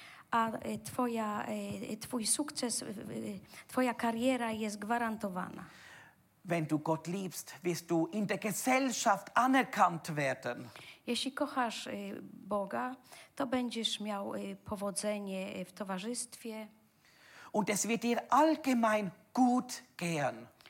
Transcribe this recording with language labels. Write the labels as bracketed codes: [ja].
[pl] A twoja, twój sukces, twoja kariera jest gwarantowana. [de] Wenn du Gott liebst, wirst du in der Gesellschaft anerkannt werden. [pl] Jeśli kochasz Boga, to będziesz miał powodzenie w towarzystwie. [de] Und es wird dir allgemein gut gehen.